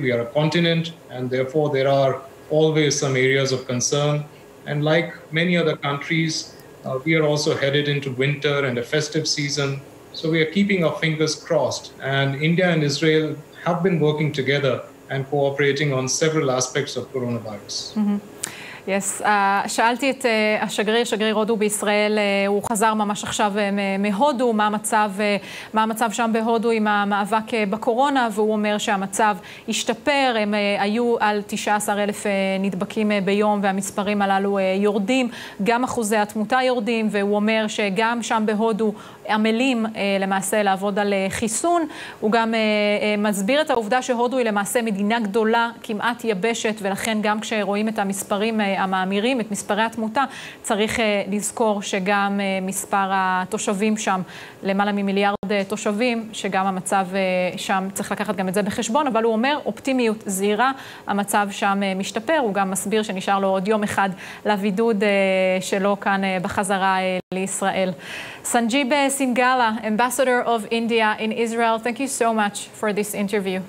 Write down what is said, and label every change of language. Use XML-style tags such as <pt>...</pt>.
<en>We are a continent, and therefore there are always some areas of concern. And like many other countries, we are also headed into winter and a festive season. So we are keeping our fingers crossed. And India and Israel have been working together and cooperating on several aspects of coronavirus.</en> <he>Yes, שאלתי את השגריר הודו בישראל, הוא חזר ממש עכשיו מהודו, מה המצב שם בהודו עם המאבק בקורונה, והוא אומר שהמצב השתפר, הם היו על 19,000 נדבקים ביום, והמספרים הללו יורדים, גם אחוזי התמותה יורדים, והוא אומר שגם שם בהודו עמלים למעשה לעבוד על חיסון. הוא גם מסביר את העובדה שהודו היא למעשה מדינה גדולה, כמעט יבשת, ולכן גם כשרואים את המספרים המאמירים, את מספרי התמותה, צריך לזכור שגם מספר התושבים שם, למעלה ממיליארד תושבים, שגם המצב שם, צריך לקחת גם את זה בחשבון, אבל הוא אומר, אופטימיות זהירה, המצב שם משתפר, הוא גם מסביר שנשאר לו עוד יום אחד לבידוד שלו כאן בחזרה לישראל.</he> <en>Sanjib Singhala, Ambassador of India in Israel, thank you so much for this interview.</en>